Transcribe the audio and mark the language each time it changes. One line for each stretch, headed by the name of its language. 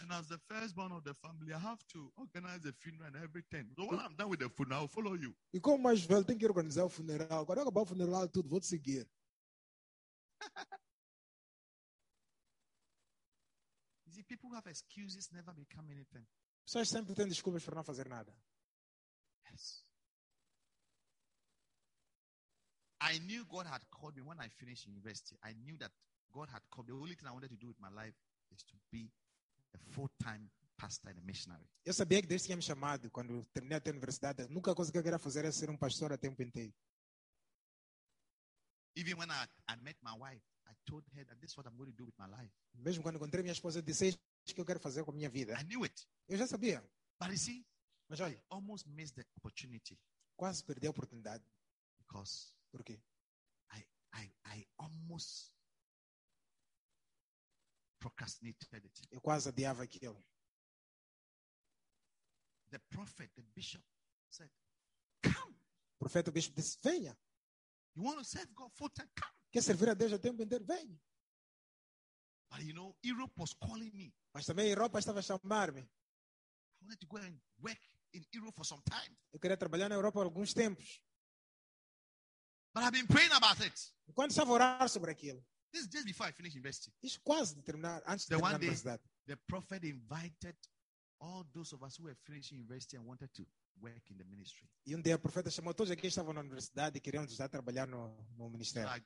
English: And as the firstborn of the family, I have to organize a funeral and everything. So when I'm done with the funeral, I'll follow you.
Portuguese: E como mais velho, tenho que organizar o funeral. Quando acabar o funeral, tudo, vou te seguir.
English: You see, people who have excuses never become anything.
Portuguese: Pessoas sempre têm desculpas para não fazer nada.
English: Yes. I knew God had called me when I finished university. I knew that God had called me. The only thing I wanted to do with my life is to be a full-time pastor and a missionary.
Portuguese: Eu sabia que Deus tinha me chamado quando terminei a universidade. Nunca coisa que eu queria fazer era ser pastor a tempo inteiro.
English: Even when I met my wife, I told her that this is what I'm going to do with my life.
Portuguese: Mesmo quando encontrei minha esposa, disse que eu quero fazer com a minha vida.
English: I knew it.
Portuguese: Eu já sabia.
English: But you see,
Portuguese: mas olha,
English: I almost missed the opportunity.
Portuguese: Quase perdi a oportunidade.
English: Because
Portuguese: porque
English: I almost procrastinated it.
Portuguese: Eu quase adiava aquilo.
English: The prophet, the bishop said, come.
Portuguese: O profeta, o bispo disse, venha.
English: You want to serve God full time? Come.
Portuguese: Quer servir a Deus a tempo inteiro? Venha.
English: But you know, Europe was calling me.
Portuguese: Mas também a Europa estava a chamar-me.
English: I wanted to go and work in Europe for some time.
Portuguese: Eu queria trabalhar na Europa alguns tempos.
English: But I've been praying about it.
Portuguese: Quando estava a orar sobre aquilo.
English: This is just before I finished university.
Portuguese: Isso quase de terminar, antes de terminar a universidade.
English: The prophet invited all those of us who were finishing university and wanted to work in the ministry.
Portuguese: E dia o profeta chamou todos aqueles que estavam na universidade e queriam já trabalhar no ministério.